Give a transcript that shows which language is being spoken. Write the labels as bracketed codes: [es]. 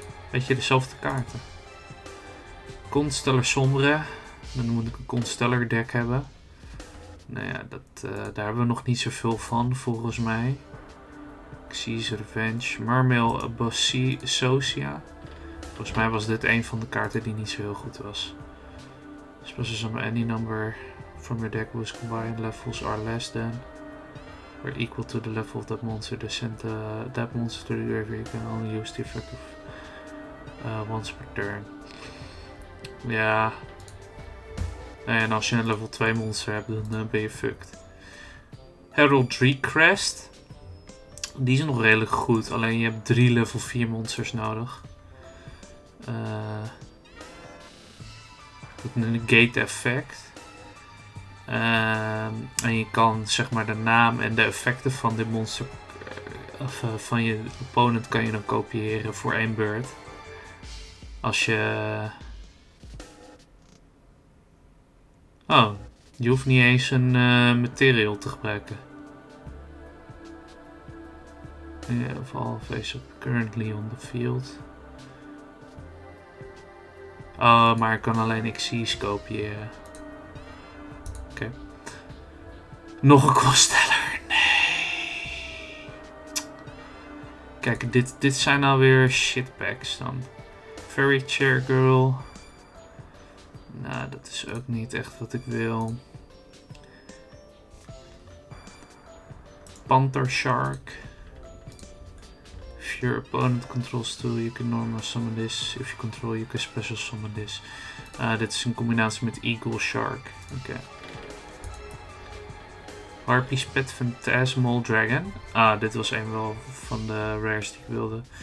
[nl] Beetje dezelfde kaarten. Consteller Sombre. Dan moet ik een Consteller deck hebben. Nou ja, daar hebben we nog niet zoveel van, volgens mij. Xyz Revenge. Marmail Bossosia. Volgens mij was dit een van de kaarten die niet zo heel goed was. [en] Special summon any number from your deck whose combined levels are less than or equal to the level of that monster. Descent that monster to the grave. You can only use the effect of once per turn. Ja. [nl] En als je een level 2 monster hebt, dan ben je fucked. Heraldry Crest. Die is nog redelijk goed. Alleen je hebt 3 level 4 monsters nodig. Een negate effect. En je kan zeg maar de naam en de effecten van dit monster. Of van je opponent kan je dan kopiëren voor 1 beurt. Als je. Oh, je hoeft niet eens een material te gebruiken. [en] Of all face up currently on the field. [nl] Oh, maar ik kan alleen Xyz kopiëren. Oké. Okay. Nog een kosteller. Nee. Kijk, dit zijn alweer shitpacks dan. Fairy Chair Girl. Nou, dat is ook niet echt wat ik wil. Panther Shark. [en] If your opponent controls two, you can normal summon this. If you control, you can special summon this. [nl] Dit is een combinatie met Eagle Shark. Oké. Harpy's Pet Phantasmal Dragon. Ah, dit was een wel van de rares die ik wilde.